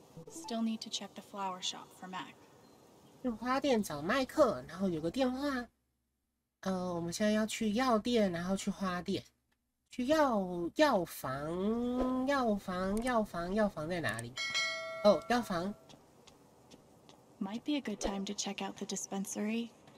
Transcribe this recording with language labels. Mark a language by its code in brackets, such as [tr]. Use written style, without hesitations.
[en] still need to check the flower shop for Mac. [zh] 去花店找麦克，然后有个电话。我们现在要去药店，然后去花店，去药房，药房在哪里？哦，药房。 [en] Might be a good time to check out the dispensary.